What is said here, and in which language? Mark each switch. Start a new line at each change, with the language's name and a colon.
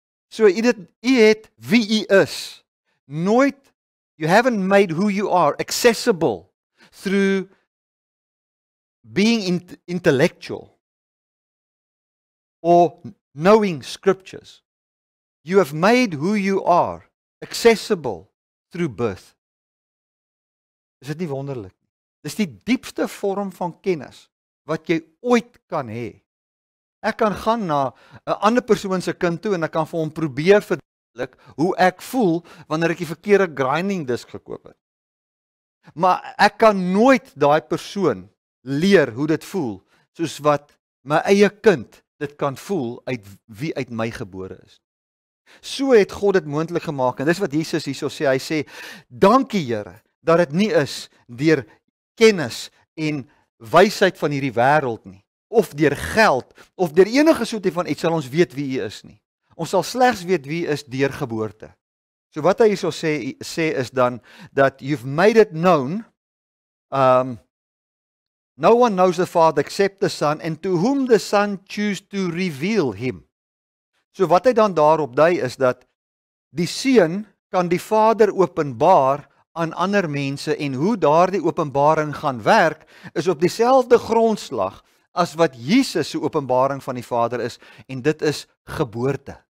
Afrikaans: So, u het wie u is. Nooit,
English: you haven't made who you are accessible through being intellectual or knowing scriptures. You have made who you are accessible through birth.
Afrikaans: Is dit nie wonderlik? Dis die diepste vorm van kennis wat jy ooit kan hê. Ek kan gaan na 'n ander persoon se kind toe en ek kan vir hom probeer eintlik hoe ek voel wanneer ek die verkeerde grinding disk gekoop het. Maar ek kan nooit daai persoon leer hoe dit voel soos wat my eie kind dit kan voel uit wie uit my gebore is. So het God dit moontlik gemaak en dis wat Jesus hierso sê, hy sê dankie Here dat dit nie is deur kennis en wysheid van hierdie wêreld nie of deur geld of deur enige soetie van iets sal ons weet wie u is nie. Ons sal slegs weet wie is deur geboorte. So wat hy hierso sê is dan dat
English: you've made it known no one knows the Father except the Son and to whom the Son choose to reveal him.
Afrikaans: So wat hy dan daarop dui is dat die Seun kan die Vader openbaar aan ander mense en hoe daardie openbaring gaan werk is op dieselfde grondslag as wat Jesus se openbaring van die Vader is en dit is geboorte.